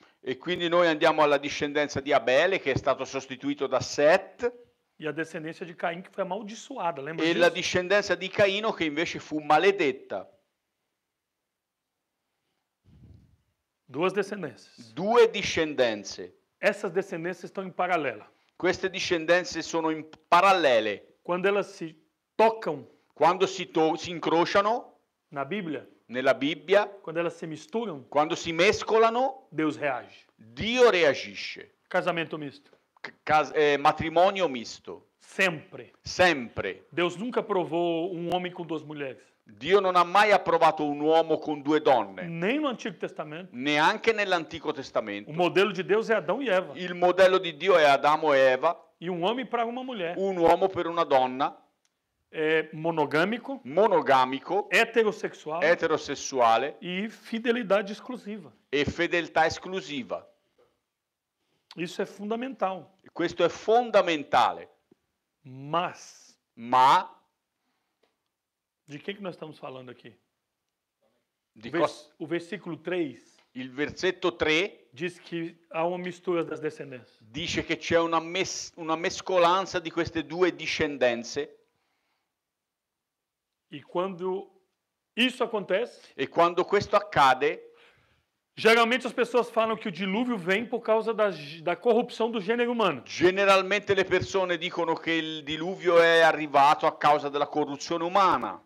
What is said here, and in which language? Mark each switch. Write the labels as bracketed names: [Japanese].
[Italian] E quindi noi andiamo alla discendenza di Abele, che è stato sostituito da Set. [Portuguese] E a descendência de Caim, que foi amaldiçoada, lembra e disso? [Italian] E la discendenza di Caino, che invece fu maledetta. [Portuguese] Duas descendências. [Italian] Due discendenze. [Portuguese] Essas descendências estão em paralela. [Italian] Queste discendenze sono in parallele. [Portuguese] Quando elas se tocam. [Italian] Quando si incrociano. [Portuguese] Na Bíblia. [Italian] Nella Bibbia. [Portuguese] Quando elas se misturam. [Italian] Quando si mescolano. [Portuguese] Deus reage. [Italian] Dio reagisce. [Portuguese] Casamento misto. [Italian] Matrimonio misto. [Portuguese] Sempre. [Italian] Sempre. [Portuguese] Deus nunca provou um homem com duas mulheres. [Italian] Dio non ha mai approvato un uomo con due donne. [Portuguese] Nem no Antigo Testamento. [Italian] Neanche nell'Antico Testamento. [Portuguese] O modelo de Deus é Adão e Eva. [Italian] Il modello di Dio è Adamo e Eva. [Portuguese] E um homem para uma mulher. [Italian] Un uomo per una donna. [Portuguese] É monogâmico. [Italian] Monogâmico. [Portuguese] Heterossexual. [Italian] Heterossessuale. [Portuguese] E fidelidade exclusiva. [Italian] E fedeltà esclusiva. [Portuguese] Isso é fundamental. [Italian] Questo è fondamentale. [Portuguese] Mas. [Italian] Ma. [Portuguese] De quem que nós estamos falando aqui? De o versículo 3. [Italian] Il versetto 3. [Portuguese] Diz que há uma mistura das descendências. [Italian] Dice che c'è una mescolanza di queste due discendenze. [Portuguese] E quando isso acontece? [Italian] E quando questo accade? [Portuguese] Geralmente as pessoas falam que o dilúvio vem por causa da corrupção do gênero humano. [Italian] Generalmente le persone dicono che il diluvio è arrivato a causa della corruzione umana.